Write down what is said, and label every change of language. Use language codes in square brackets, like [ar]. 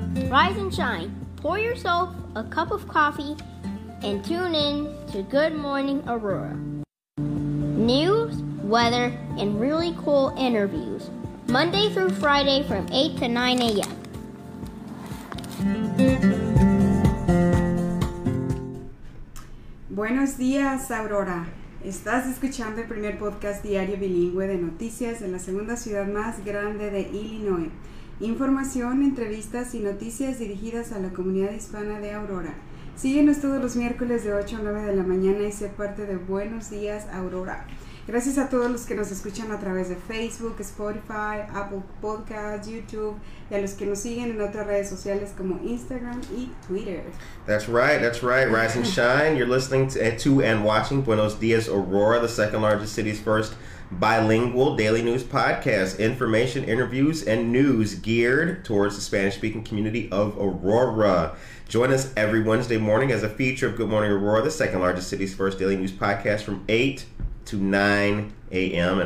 [en] Rise and shine, pour yourself a cup of coffee, and tune in to Good Morning Aurora. News, weather, and really cool interviews, Monday through Friday from 8 to 9 a.m. [es] Buenos días, Aurora. Estás escuchando el primer podcast diario bilingüe de noticias en la segunda ciudad más grande de Illinois. Información, entrevistas y noticias dirigidas a la comunidad hispana de Aurora. Síguenos todos los miércoles de 8 a 9 de la mañana y sé parte de Buenos Días, Aurora. Gracias a todos los que nos escuchan a través de Facebook, Spotify, Apple Podcasts, YouTube, y a los que nos siguen en otras redes sociales como Instagram y Twitter. [en] That's right. Rise and shine. You're listening to and watching Buenos Días, Aurora, the second largest city's first bilingual daily news podcast. Information, interviews, and news geared towards the Spanish-speaking community of Aurora. Join us every Wednesday morning as a feature of Good Morning Aurora, the second largest city's first daily news podcast, from 8 to 9 a.m.